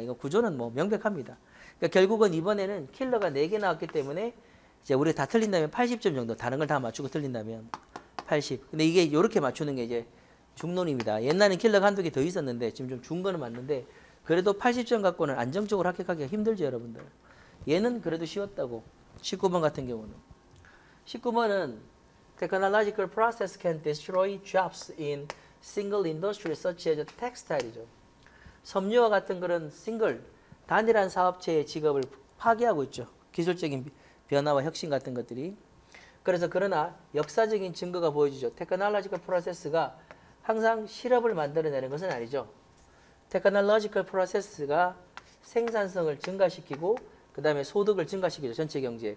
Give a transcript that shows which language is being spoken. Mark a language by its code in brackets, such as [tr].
[ko] 이거 구조는 뭐 명백합니다. 그러니까 결국은 이번에는 킬러가 4개 나왔기 때문에 이제 우리가 다 틀린다면 80점 정도. 다른 걸다 맞추고 틀린다면. 80. 근데 이게 이렇게 맞추는 게 이제 중론입니다. 옛날엔 킬러가 한두 개더 있었는데, 지금 좀준 거는 맞는데, 그래도 80점 갖고는 안정적으로 합격하기가 힘들죠, 여러분들. 얘는 그래도 쉬웠다고. 19번 같은 경우는. 19번은 [en] Technological process can destroy jobs in single industries such as textile이죠. [ko] 섬유와 같은 그런 싱글, 단일한 사업체의 직업을 파괴하고 있죠. 기술적인 변화와 혁신 같은 것들이. 그래서 그러나 역사적인 증거가 보여지죠. Technological process가 항상 실업을 만들어내는 것은 아니죠. Technological process가 생산성을 증가시키고, 그 다음에 소득을 증가시키죠. 전체 경제에.